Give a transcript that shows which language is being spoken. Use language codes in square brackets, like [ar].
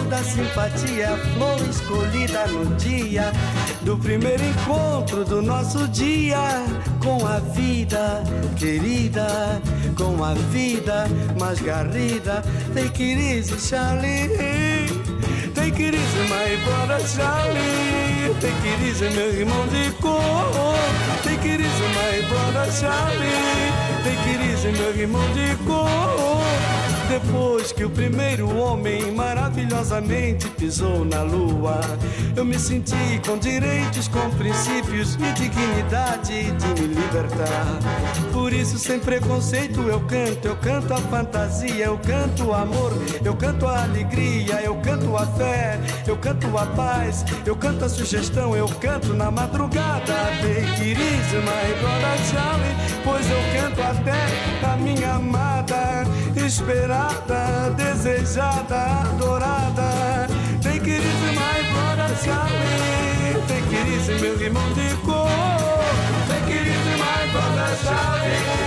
[pt] Simpatia, flor escolhida no dia do primeiro encontro do nosso dia com a vida querida, com a vida mais garrida. [en] Take it easy, Charlie. Take it easy, my brother Charlie. Take it easy, [pt] meu irmão de cor. [en] Take it easy, my brother Charlie. Take it easy, [pt] meu irmão de cor. Depois que o primeiro homem maravilhosamente pisou na lua, eu me senti com direitos, com princípios e dignidade de me libertar. Por isso, sem preconceito, eu canto a fantasia, eu canto o amor, eu canto a alegria, eu canto a fé, eu canto a paz, eu canto a sugestão, eu canto na madrugada. [en] Take it easy, my brother Charlie, [pt] pois eu canto até a minha amada, esperada, desejada, adorada. [en] Take it easy, my brother Charlie. Take it easy, [pt] meu irmão de cor. [en] Take it easy, my brother Charlie.